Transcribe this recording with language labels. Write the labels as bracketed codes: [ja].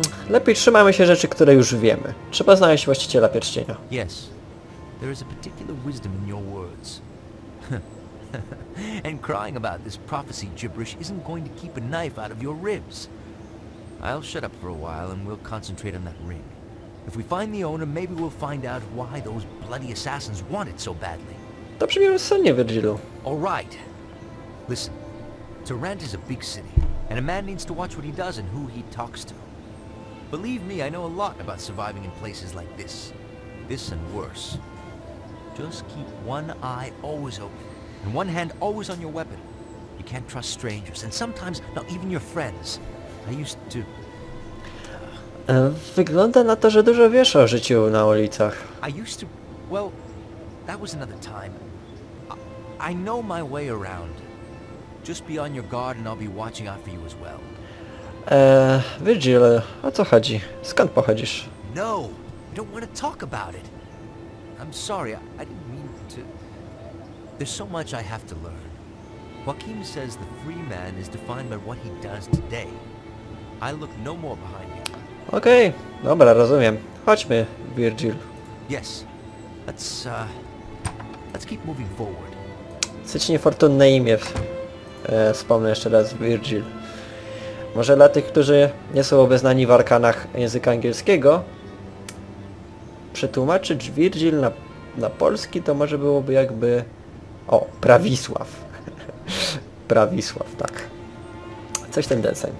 [pl] Lepiej trzymajmy się rzeczy, które już wiemy. Trzeba znaleźć właściciela pierścienia. [en] Yes. There is a particular wisdom in your words. And crying about this prophecy gibberish isn't going to keep a knife out of your ribs. I'll shut up for a while and we'll concentrate on that ring. If we find the owner, maybe we'll find out why those bloody assassins want it so badly. [pl] To brzmi rozsądnie, Virgilu. [en] All right. Listen. Tarant is a big city, and a man needs to watch what he does and who he talks to. Believe me, I know a lot about surviving in places like this. This and worse. Just keep one eye always open, and one hand always on your weapon. You can't trust strangers, and sometimes not even your friends. I used to... [pl] Wygląda na to, że dużo wiesz o życiu na ulicach. [en] I used to... Well, that was another time. I know my way around. Just be on your guard and I'll be watching out for you as well. [pl] Virgil, o co chodzi? Skąd pochodzisz? [en] No, I don't want to talk about it. I'm sorry, I didn't mean to... There's so much I have to learn. Joachim says the free man is defined by what he does today. I look no more behind you. [pl] Okej, dobra, rozumiem. Chodźmy, Virgil. [en] Yes, let's keep moving forward. [pl] Dosyć niefortunne imię. Wspomnę jeszcze raz, Virgil. Może dla tych, którzy nie są obeznani w arkanach języka angielskiego, przetłumaczyć Virgil na polski to może byłoby jakby... O, Prawisław. Prawisław, tak. Coś ten deseń.